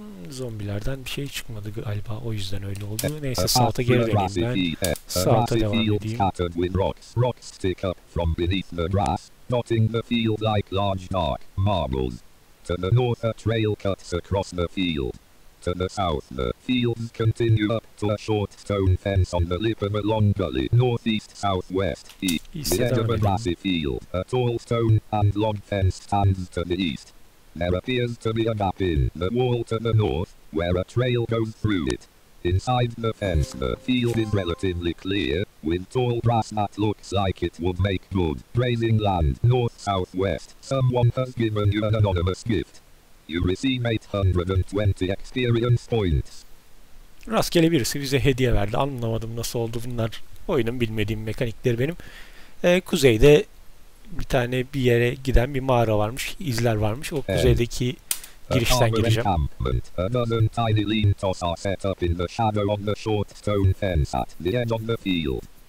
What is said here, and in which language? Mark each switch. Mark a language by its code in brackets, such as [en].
[tr] Zombilerden bir şey çıkmadı galiba, o yüzden öyle oldu. Neyse, salta geri döneyim ben. Salta devam edeyim. [en] Rocks stick up from beneath the grass, dotting the field like large dark marbles. To the north a trail cuts across the field. To the south the fields continue up to a short stone fence on the lip of a long gully. Northeast, southwest, east. The edge of a grassy field. A tall stone and log fence stands to the east. There appears to be a gap in the wall to the north, where a trail goes through it. Inside the fence the field is relatively clear, with tall grass that looks like it would make good grazing land. North, southwest, someone has given you an anonymous gift. You receive 820 experience points. [tr] Rastgele birisi bize hediye verdi. Anlamadım nasıl oldu bunlar. Oyunun bilmediğim mekanikleri benim. Kuzeyde bir tane bir yere giden bir mağara varmış, izler varmış. O kuzeydeki girişten gireceğim. [en] A dozen tiny lean-tos are set up in the shadow of the short stone fence at the edge of the field.